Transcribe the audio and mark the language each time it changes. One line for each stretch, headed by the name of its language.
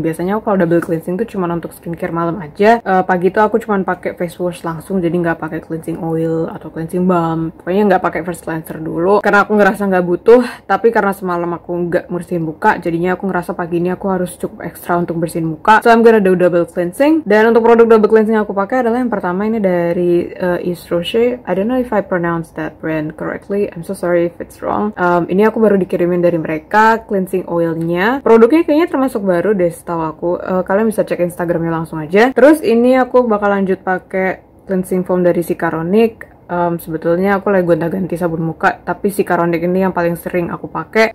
Indonesian: Biasanya aku kalau double cleansing tuh cuma untuk skincare malam aja. Pagi tuh aku cuma pakai face wash langsung, jadi gak pakai cleansing oil atau cleansing balm. Pokoknya gak pakai first cleanser dulu, karena aku ngerasa gak butuh. Tapi karena semalam aku gak bersihin muka, jadinya aku ngerasa pagi ini aku harus cukup ekstra untuk bersihin muka.
English: So I'm gonna do double cleansing.
Indonesian: Dan untuk produk double cleansing yang aku pakai adalah yang pertama ini dari Yves Rocher.
English: I don't know if I pronounce that brand correctly. I'm so sorry if it's wrong.
Indonesian: Ini aku baru dikirimin dari mereka, cleansing oilnya. Produknya kayaknya termasuk baru deh setahu aku. Kalian bisa cek Instagramnya langsung aja. Terus ini aku bakal lanjut pakai cleansing foam dari Sikaronic. Sebetulnya aku lagi gonta-ganti sabun muka, tapi si Sikaronic ini yang paling sering aku pakai.